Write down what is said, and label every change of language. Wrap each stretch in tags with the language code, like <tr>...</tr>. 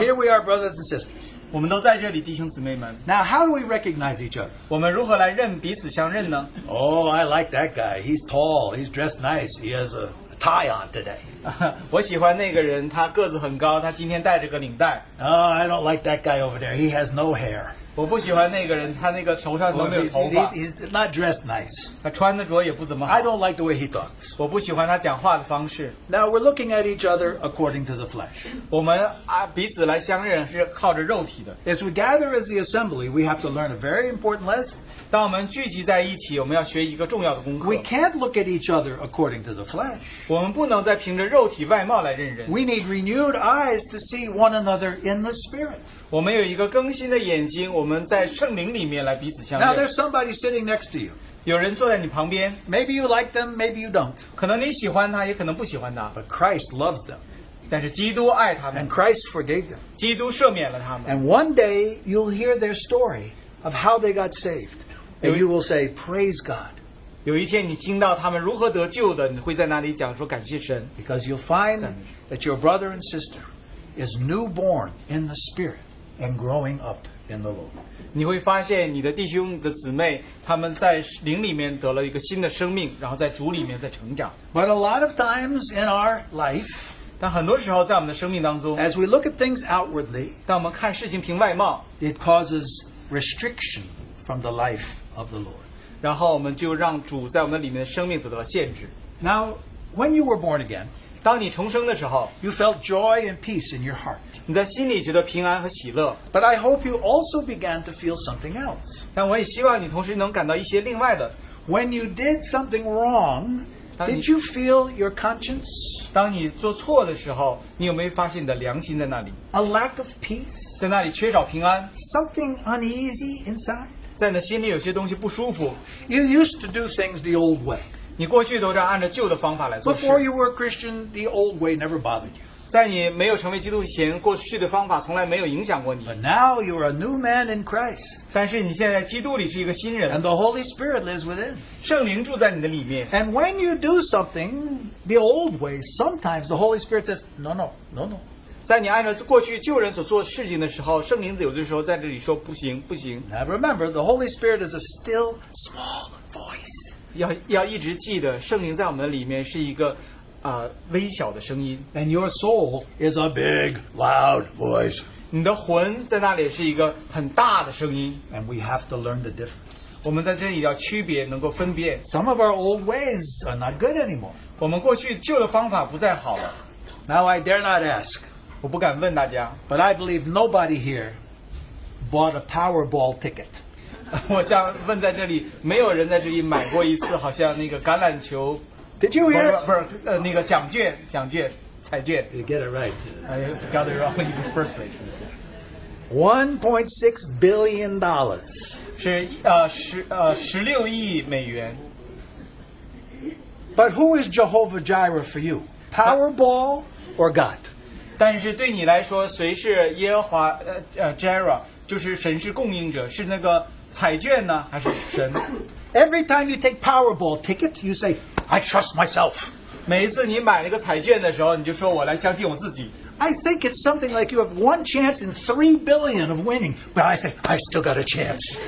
<en>Here we are, brothers and sisters.</en> <zh>我们都在这里,弟兄姊妹们。</zh> <en>Now, how do we recognize each other?</en> <zh>我们如何来认彼此相认呢?</zh> <en>Oh, I like that guy. He's tall. He's dressed nice. He has a tie on today.</en> <zh>我喜欢那个人,他个子很高,他今天戴着个领带。</zh> <en>Oh, I don't like that guy over there. He has no hair.</en> <zh>我不喜欢那个人,他那个头上都没有头发。</zh> <en>He's not dressed nice.</en> <zh>他穿的着也不怎么好。</zh> <en>I don't like the way he talks.</en> <zh>我不喜欢他讲话的方式。</zh> <en>Now we're looking at each other according to the flesh.</en> <zh>我们彼此来相认是靠着肉体的。</zh> <en>As we gather as the assembly, we have to learn a very important lesson.</en> <zh>当我们聚集在一起,我们要学一个重要的功课。</zh> <en>We can't look at each other according to the flesh.</en> <zh>我们不能再凭着肉体外貌来认人。</zh> <en>We need renewed eyes to see one another in the Spirit.</en> <zh>我们有一个更新的眼睛,</zh> <en>now there's somebody sitting next to you.</en> <zh>有人坐在你旁边,</zh> <en>maybe you like them, maybe you don't.</en> <zh>可能你喜欢他, 也可能不喜欢他,</zh> <en>but Christ loves them.</en> <zh>但是基督爱他们,</zh> <en>and Christ forgave them.</en> <zh>基督赦免了他们,</zh> <en>and one day you'll hear their story of how they got saved. And you will say, praise God.</en> <zh>有一天你听到他们如何得救的,</zh> <en>because you'll find that your brother and sister is newborn in the Spirit and growing up in the Lord.</en> <zh>你会发现你的弟兄的姊妹, 他们在灵里面得了一个新的生命, 然后在主里面在成长。</zh> <en>But a lot of times in our life,</en> <zh>但很多时候在我们的生命当中,</zh> <en>as we look at things outwardly,</en> <zh>当我们看事情凭外貌,</zh> <en>it causes restriction from the life of the Lord.</en> <zh>然后我们就让主在我们里面的生命得到限制。</zh> <en>Now, when you were born again,</en> <zh>当你重生的时候,</zh> <en>you felt joy and peace in your heart.</en> <zh>你在心里觉得平安和喜乐,</zh> <en>but I hope you also began to feel something else.</en> <zh>但我也希望你同时能感到一些另外的,</zh> <en>when you did something wrong,</en> <zh>当你,</zh> <en>did you feel your conscience?</en> <zh>当你做错的时候, 你有没有发现你的良心在那里?</zh> <en>A lack of peace?</en> <zh>在那里缺少平安?</zh> <en>Something uneasy inside?</en> <zh>在你心里有些东西不舒服?</zh> <en>You used to do things the old way. Before you were a Christian, the old way never bothered you. But now you are a new man in Christ. And the Holy Spirit lives within.</en> <zh>圣灵住在你的里面。</zh> <en>And when you do something the old way, sometimes the Holy Spirit says, no, no, no, no.</en> <zh>在你按照过去旧人所做事情的时候, 圣灵有的时候在这里说不行,</zh> <en>now remember, the Holy Spirit is a still, small voice.</en> <zh>要一直记得圣灵在我们里面是一个 微小的声音,</zh> <en>and your soul is a big loud voice.</en> <zh>你的魂在那里是一个很大的声音,</zh> <en>and we have to learn the difference.</en> <zh>我们在这里要区别能够分辨,</zh> <en>some of our old ways are not good anymore.</en> <zh>我们过去旧的方法不再好了。</zh> <en>Now I dare not ask.</en> <zh>我不敢问大家,</zh> <en>but I believe nobody here bought a Powerball ticket.</en> <zh>我想问在这里, 没有人在这里买过一次好像那个橄榄球,</zh> <en>Did you hear?</en> <zh>不是那个奖券,</zh> <en>you get it right. I got it wrong in the first place. $1.6 billion.</en> <zh>是16亿美元.</zh> <en>But who is Jehovah Jireh for you? Powerball or God?</en> <zh>但是对你来说, 谁是耶和华, Jireh, 就是神是供应者, 是那个彩券呢, 还是神?</zh> <en>Every time you take Powerball ticket, you say, I trust myself.</en> <zh>每一次你买那个彩券的时候, 你就说我来相信我自己。</zh> <en>I think it's something like you have one chance in 3 billion of winning, but I say, I still got a chance.</en>